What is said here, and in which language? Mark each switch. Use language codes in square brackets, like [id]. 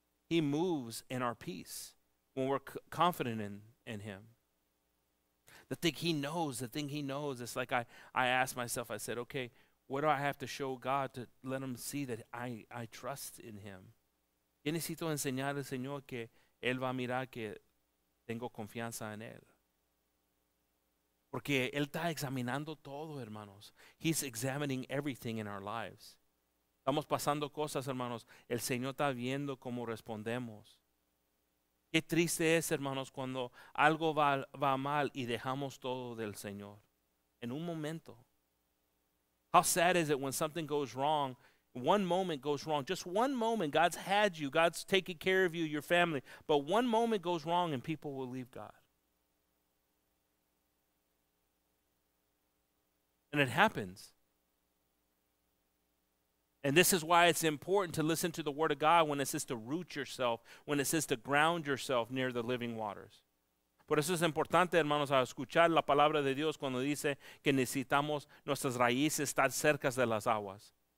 [en] He moves in our peace when we're confident in him. The thing he knows, it's like I asked myself, I said, okay, what do I have to show God to let him see that I trust in him? [es] Yo necesito enseñar al Señor que él va a mirar que tengo confianza en él. Porque él está examinando todo, hermanos. [en] He's examining everything in our lives. [es] Estamos pasando cosas, hermanos. El Señor está viendo cómo respondemos. Qué triste es, hermanos, cuando algo va mal y dejamos todo del Señor. En un momento. [en] How sad is it when something goes wrong? One moment goes wrong. Just one moment. God's had you. God's taking care of you, your family. But one moment goes wrong and people will leave God. And it happens. And this is why it's important to listen to the word of God when it says to root yourself, when it says to ground yourself near the living waters. [es] Por eso es importante, hermanos, a escuchar la palabra de Dios cuando dice que necesitamos nuestras raíces estar cerca de las aguas.